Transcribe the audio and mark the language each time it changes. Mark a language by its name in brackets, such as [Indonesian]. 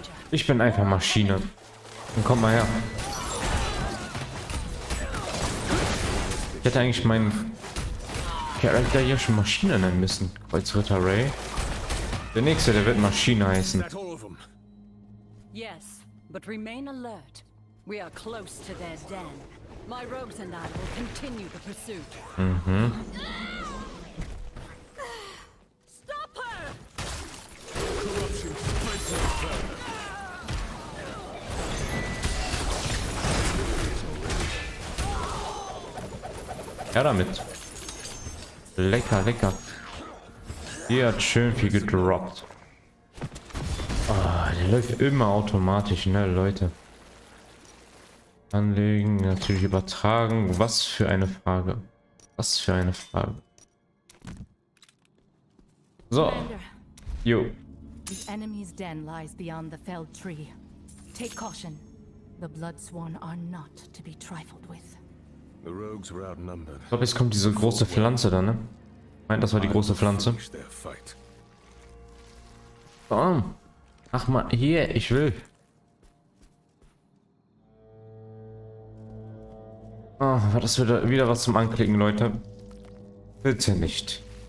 [German] Ich bin einfach Maschine. Dann komm mal her. Ich hätte eigentlich meinen Charakter hier schon Maschine nennen müssen. Kreuzritter Ray. Der nächste, der wird Maschine heißen. [English] Yes, but remain alert. We are close to their den. My rogues and I will continue the pursuit. Mhm. [German] Ja, damit. Lecker, lecker. Die hat schön viel gedroppt. Oh, der läuft immer automatisch, ne, Leute. Anlegen, natürlich übertragen. Was für eine Frage. Was für eine Frage. [English] So. Jo. The enemy's den lies beyond the felled tree. Take caution. The Bloodsworn are not to be trifled with. The rogues were outnumbered. [German] Ich glaube, jetzt kommt diese große Pflanze da, ne? Ich meine, das war die große Pflanze. Bam. Ach mal, hier, ich will. Oh, war das wieder was zum Anklicken, Leute? Bitte nicht.